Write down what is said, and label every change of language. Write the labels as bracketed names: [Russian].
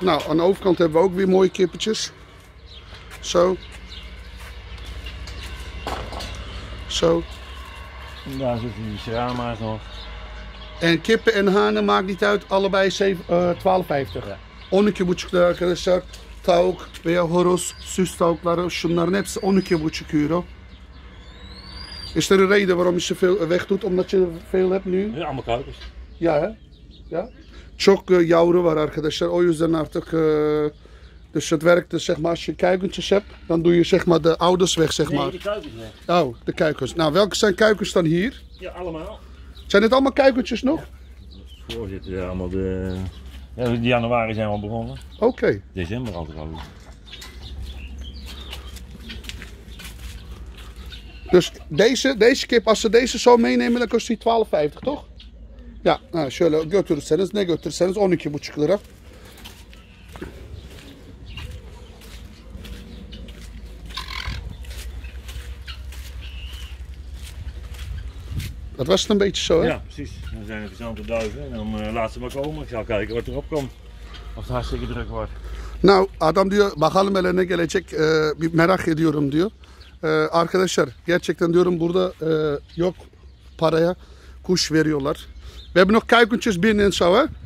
[Dutch] Nou, aan de overkant hebben we ook weer mooie kippetjes. Zo. Zo. Daar zitten die schrama's nog. En kippen en hanen maakt niet uit, allebei 12,50. Ja. [Turkish] 12,5 lira arkadaşlar. Tavuk veya horoz, süs tavukları, şunların hepsi 12,5 euro. [Dutch] Is er een reden waarom je ze veel weg doet, omdat je veel hebt nu? Ja, allemaal kuikens. Ja, hè? Ja? [Turkish] Çok yavru var arkadaşlar. O yüzden artık [Dutch] dus het werkt zeg maar als je kuikentjes hebt, dan doe je zeg maar de ouders weg zeg maar. Nee, de kuikens weg. Oh, de kuikens. Nou, welke zijn kuikens dan hier? Ja, allemaal. Zijn het allemaal kuikentjes nog? Ja. Voorzitter, ja, allemaal de ja, in januari zijn we al begonnen. Oké. Okay. December altijd al. Dus deze kip, als ze deze zo meenemen, dan kost die 12,50 toch? [Turkish] Ya, ha şöyle götürürseniz, ne götürürseniz 12,5 lira. [Dutch] Dat was het een beetje zo, hè? Ja, precies. Dan zijn er verzante duiven en dan laat ze maar komen. Ik zal kijken wat erop komt. Of het hartstikke druk wordt. [Turkish] Nou, adam diyor, bakalım hele ne gelecek, merak ediyorum diyor. Arkadaşlar, gerçekten diyorum burada yok paraya kuş veriyorlar. [Dutch] We hebben nog kuikentjes binnen en zo, hè?